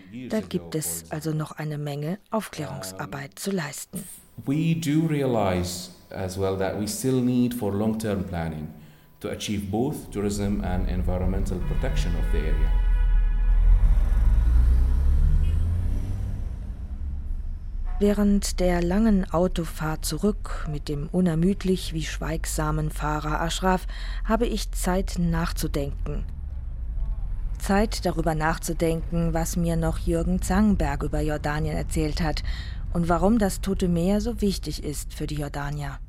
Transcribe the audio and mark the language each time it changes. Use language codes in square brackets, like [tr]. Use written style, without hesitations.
[de] Da gibt es also noch eine Menge Aufklärungsarbeit zu leisten. [en] We do realize as well that we still need for long-term planning to achieve both tourism and environmental protection of the area. [de] Während der langen Autofahrt zurück mit dem unermüdlich wie schweigsamen Fahrer Ashraf, habe ich Zeit nachzudenken. Zeit darüber nachzudenken, was mir noch Jürgen Zangenberg über Jordanien erzählt hat und warum das Tote Meer so wichtig ist für die Jordanier.